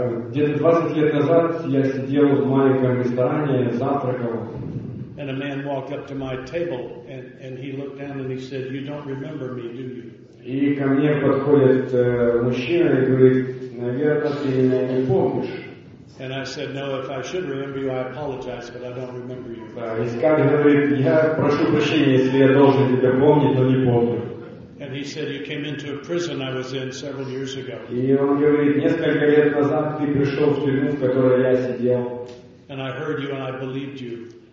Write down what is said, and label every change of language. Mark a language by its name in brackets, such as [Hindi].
[Russian] Где-то 20 лет назад я сидел в маленьком ресторане, завтракал. [English] And a man walked up to my table and he looked down and he said, "You don't remember me, do you?" [Russian] И ко мне подходит мужчина и говорит, "Наверное, ты меня не помнишь." [English] And I said, no, if I should remember you, I apologize, but I don't remember you. And he said, you came into a prison I was in several years ago. And I heard you and I believed you.